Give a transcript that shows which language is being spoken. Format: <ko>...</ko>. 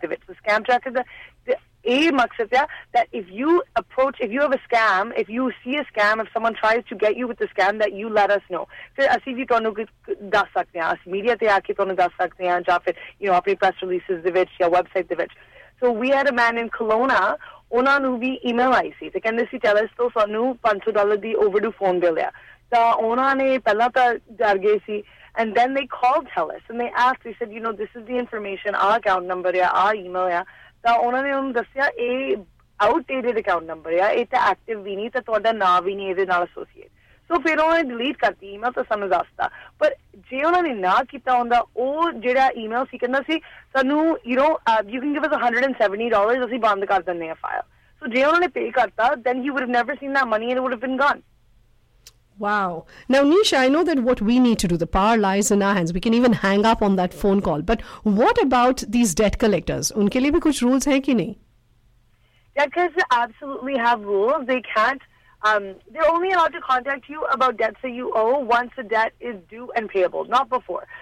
<en>The scam tracker, the aim is that if you have a scam, if you see a scam, if someone tries to get you with the scam, that you let us know. So we can tell you, press releases or website. So we had a man in Kelowna,</en> <pa>ਉਹਨਾਂ ਨੂੰ ਵੀ email ਆਈ ਸੀ ਤੇ ਕਹਿੰਦੇ ਸੀ tells ਤੋਂ ਸਾਨੂੰ $500 ਦੀ ਓਵਰਡੂ phone bill ਆ, ਤਾਂ ਉਹਨਾਂ ਨੇ ਪਹਿਲਾਂ ਤਾਂ ਡਰ ਗਏ ਸੀ,</pa> <en>and then they called tells and they asked, they said you know this is the information,</en> <pa>ਆਹ ਅਕਾਊਂਟ ਨੰਬਰ ਆ, ਆਹ ਈਮੇਲ ਆ, ਤਾਂ ਉਹਨਾਂ ਨੇ ਉਹਨੂੰ ਦੱਸਿਆ ਇਹ ਆਊਟਡੇਟਡ ਅਕਾਊਂਟ ਨੰਬਰ ਆ, ਇਹ ਤਾਂ ਐਕਟਿਵ ਵੀ ਨਹੀਂ, ਤਾਂ ਤੁਹਾਡਾ ਨਾਂ ਵੀ ਨਹੀਂ ਇਹਦੇ ਨਾਲ ਐਸੋਸੀਏਟ. ਸੋ ਫਿਰ ਉਹਨਾਂ ਨੇ ਡਿਲੀਟ ਕਰਤੀ ਈਮੇਲ ਤਾਂ ਸਾਨੂੰ ਦੱਸਤਾ ਪਰ ਜੇ ਉਹਨਾਂ ਨੇ ਨਾ ਕੀਤਾ ਹੁੰਦਾ ਉਹ ਜਿਹੜਾ ਈਮੇਲ ਸੀ ਕਹਿੰਦਾ ਸੀ ਸਾਨੂੰ</pa> <en>you know you can give us $170</en> <pa>ਅਸੀਂ ਬੰਦ ਕਰ ਦਿੰਦੇ ਹਾਂ ਫਾਇਲ ਸੋ ਜੇ ਉਹਨਾਂ ਨੇ ਪੇ ਕਰਤਾ</pa> <en>Then he would have never seen that money and it would have been gone Wow. Now, Neesha, I know that what we need to do, the power lies in our hands. We can even hang up on that phone call. But what about these debt collectors?</en> <hi>Unke liye bhi kuch rules hai ki nahi?</hi> <en>Debt collectors absolutely have rules. They can't, they're only allowed to contact you about debts that you owe once the debt is due and payable, not before.</en>